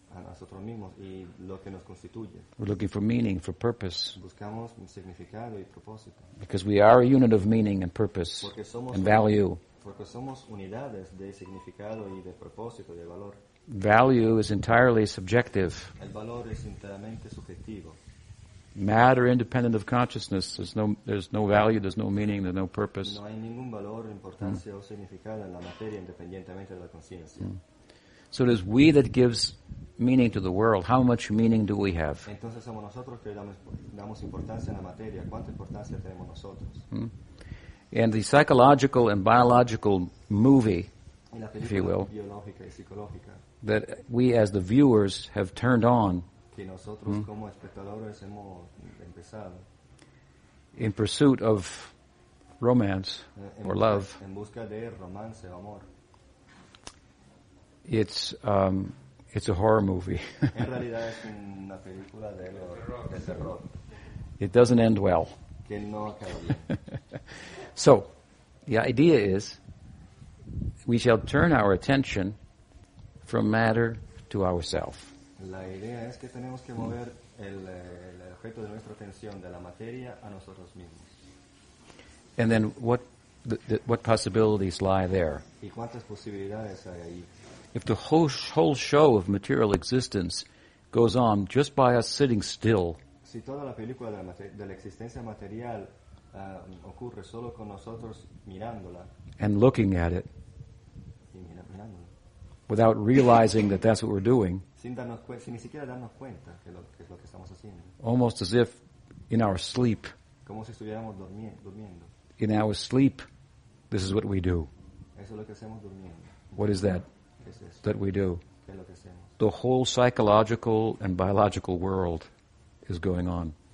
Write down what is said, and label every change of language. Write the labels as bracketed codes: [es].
[es] A nosotros mismos y lo que nos constituye. [en] We're looking for meaning, for purpose. [es] Buscamos significado y propósito. [en] Because we are a unit of meaning and purpose [es] porque somos [en] and value. [es] Porque somos unidades de significado y de propósito y de valor. [en] Value is entirely subjective. [es] El valor es enteramente subjetivo. [en] matter independent of consciousness. There's no value, there's no meaning, there's no purpose. [es] No hay ningún valor, importancia o significado en la materia independientemente de la conciencia. [en] So it is we that gives meaning to the world. How much meaning do we have? [es] Entonces somos nosotros que damos importancia a la materia. ¿Cuánta importancia tenemos nosotros? [en] And the psychological and biological movie, if you will, [es] biológica y psicológica, [en] that we as the viewers have turned on, [es] que nosotros como espectadores hemos empezado, [en] in pursuit of romance or love, [es] en busca de romance o amor. [en] It's a horror movie. [es] En realidad es una película de terror. De terror. [en] It doesn't end well. [es] Que no acaba bien. [en] So, the idea is, we shall turn our attention from matter to ourself. [es] La idea es que tenemos que mover el objeto de nuestra atención de la materia a nosotros mismos. [en] And then what possibilities lie there? [es] ¿Y cuántas posibilidades hay ahí? [en] If the whole show of material existence goes on just by us sitting still, [es] si toda la película de la existencia material ocurre solo con nosotros mirándola, [en] and looking at it, [es] y mirándola, [en] without realizing that that's what we're doing, [es] sin ni siquiera darnos cuenta que es lo que estamos haciendo, [en] almost as if in our sleep, [es] como si estuviéramos durmiendo, [en] in our sleep, this is what we do. [es] Eso es lo que hacemos durmiendo. [en] What is that? That we do. [es] Que lo que hacemos. [en] The whole psychological and biological world is going on.